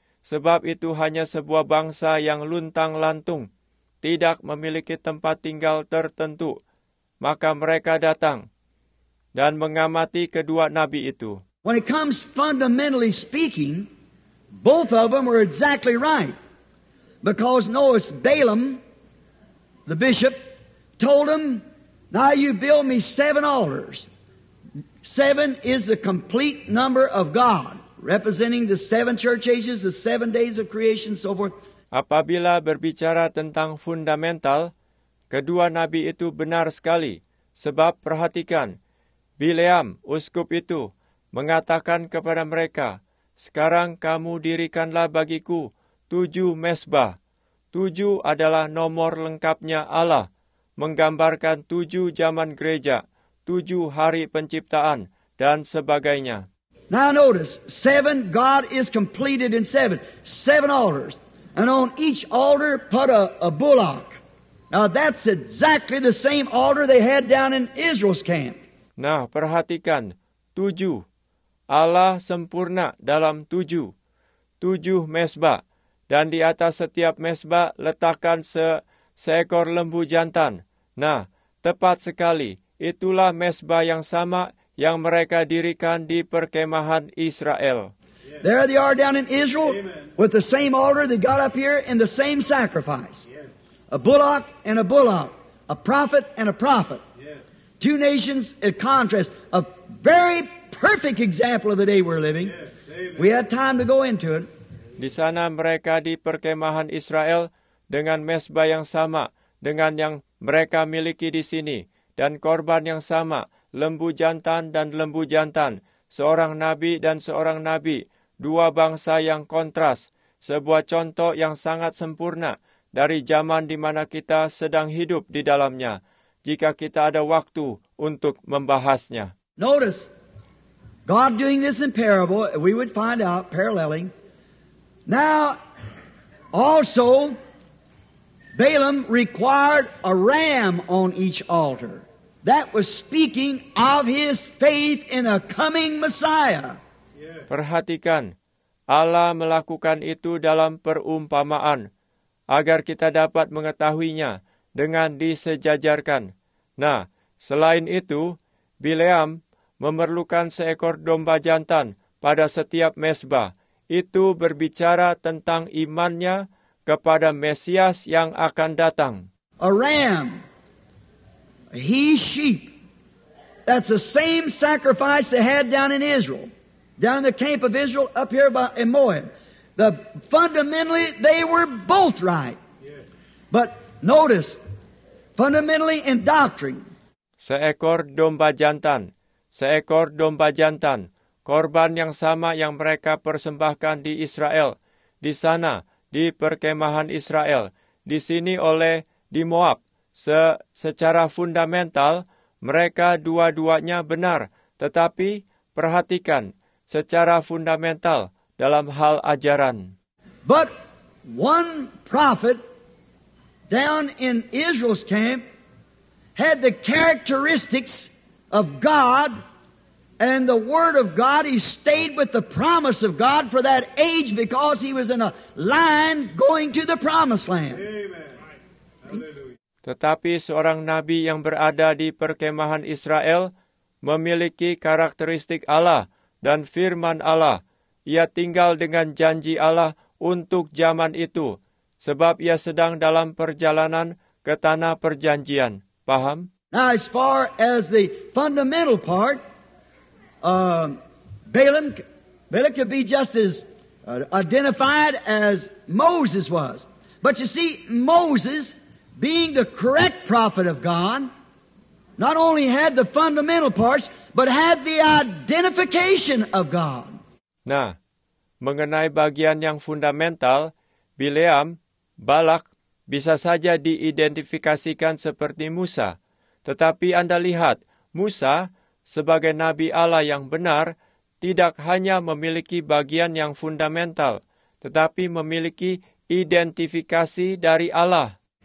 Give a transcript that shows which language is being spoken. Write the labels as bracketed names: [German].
[Indonesian] Sebab itu hanya sebuah bangsa yang luntang lantung, tidak memiliki tempat tinggal tertentu. Maka mereka datang dan mengamati kedua nabi itu. [English] When it comes fundamentally speaking, both of them were exactly right. Because notice Balaam, the bishop, told him, now you build me 7 altars. 7 is the complete number of God, representing the 7 church ages, the 7 days of creation, so forth. [Indonesian] Apabila berbicara tentang fundamental, kedua nabi itu benar sekali. Sebab perhatikan, Bileam, uskup itu, mengatakan kepada mereka, sekarang kamu dirikanlah bagiku 7 mesbah. 7 adalah nomor lengkapnya Allah, menggambarkan 7 zaman gereja, 7 hari penciptaan, dan sebagainya. [English] Now notice, 7, God is completed in 7. 7 altars. And on each altar put a bullock. Now that's exactly the same altar they had down in Israel's camp. [Indonesian] Nah, perhatikan, 7. Allah sempurna dalam 7. 7 mesbah. Dan di atas setiap mesbah letakkan seekor lembu jantan. Nah, tepat sekali, itulah mesbah yang sama yang mereka dirikan di perkemahan Israel. [English] There they are down in Israel. Amen. With the same altar they got up here and the same sacrifice. A bullock and a bullock, a prophet and a prophet. Two nations in contrast, a very perfect example of the day we're living. We had time to go into it. [Indonesian] Di sana mereka di perkemahan Israel dengan mesbah yang sama dengan yang mereka miliki di sini dan korban yang sama, lembu jantan dan lembu jantan, seorang nabi dan seorang nabi, dua bangsa yang kontras, sebuah contoh yang sangat sempurna dari zaman di mana kita sedang hidup di dalamnya, jika kita ada waktu untuk membahasnya. [English] Notice, God doing this in parable, we would find out, paralleling. Now, also, Balaam required a ram on each altar. That was speaking of his faith in a coming Messiah. [Indonesian] Perhatikan, Allah melakukan itu dalam perumpamaan, agar kita dapat mengetahuinya dengan disejajarkan. Nah, selain itu, Bileam memerlukan seekor domba jantan pada setiap mesbah. Itu berbicara tentang imannya kepada Mesias yang akan datang. [English] A ram, a he sheep, that's the same sacrifice they had down in Israel. Down in the camp of Israel, up here by Moab. Fundamentally, they were both right. But notice, fundamentally in doctrine. [Indonesian] Seekor domba jantan. Seekor domba jantan. Korban yang sama yang mereka persembahkan di Israel. Di sana, di perkemahan Israel. Di sini oleh di Moab. Secara fundamental, mereka dua-duanya benar. Tetapi, perhatikan. Secara fundamental dalam hal ajaran. [English] But one prophet down in Israel's camp had the characteristics of God and the Word of God. He stayed with the promise of God for that age because he was in a line going to the promised land. Amen. Hallelujah. [Indonesian] Tetapi seorang nabi yang berada di perkemahan Israel memiliki karakteristik Allah. Dan firman Allah, ia tinggal dengan janji Allah untuk zaman itu, sebab ia sedang dalam perjalanan ke tanah perjanjian. Paham? [English] Now, as far as the fundamental part, Balaam could be just as identified as Moses was. But you see, Moses, being the correct prophet of God, not only had the fundamental parts, but had the identification of God. [Indonesian] Nah, mengenai bagian yang fundamental, Bileam, Balak, bisa saja diidentifikasikan seperti Musa. Tetapi Anda lihat, Musa, sebagai Nabi Allah yang benar, tidak hanya memiliki bagian yang fundamental, tetapi memiliki identifikasi dari Allah.